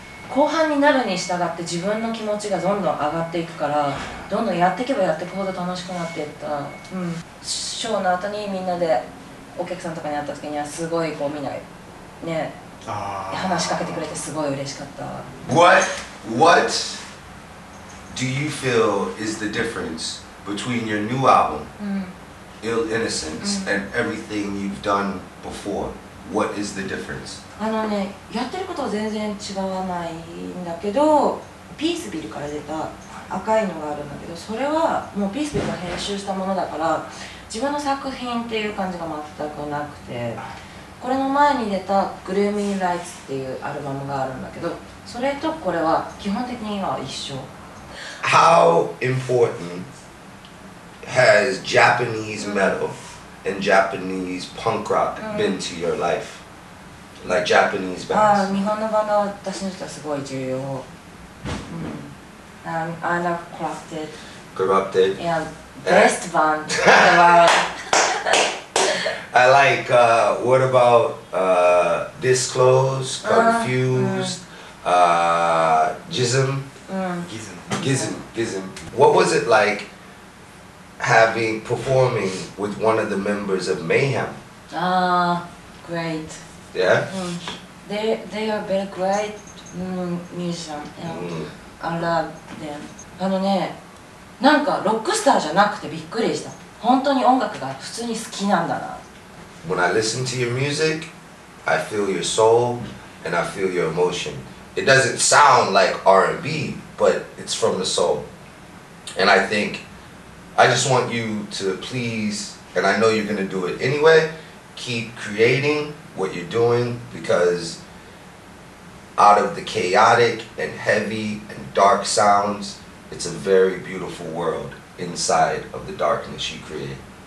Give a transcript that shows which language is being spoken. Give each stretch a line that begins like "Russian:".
Japanese: 後半になるに従って自分の気持ちがどんどん上がっていくから、どんどんやっていけばやっていくほど楽しくなっていった。うん、ショーの後にみんなでお客さんとかに会った時にはすごいこう見ないね。話しかけてくれてすごい嬉しかった。
English: What do you feel is the difference between your new album,、mm. Ill Innocence,、mm. and everything you've done before? What is the difference?
Japanese: あのね、やってることは全然違わないんだけど、ピースビルから出た赤いのがあるんだけど、それはもうピースビルが編集したものだから、自分の作品っていう感じが全くなくて。これの前に出た Gloomy Lights っていうアルバムがあるんだけど、それとこれは基本的には一緒。
English: How important has Japanese metal and Japanese punk rock been to your life? Like Japanese bands?
Japanese: 日本のバンドは私にとってはすごい重要。
English: I love Corrupted. Corrupted? Yeah, best band in the world. I like, what about Disclosed, Confused, Gizm. What was it like performing with one of the members of Mayhem? Great. Yeah? They are very great musicians and I love them.
Japanese: あのね、なんかロックスターじゃなくてびっくりした。本当に音楽が普通に好きなんだな。
English: When I listen to your music, I feel your soul and I feel your emotion. It doesn't sound like R&B, but it's from the soul. And I think, I just want you to please, and I know you're going to do it anyway, keep creating what you're doing because out of the chaotic and heavy and dark sounds, it's a very beautiful world inside of the darkness you create.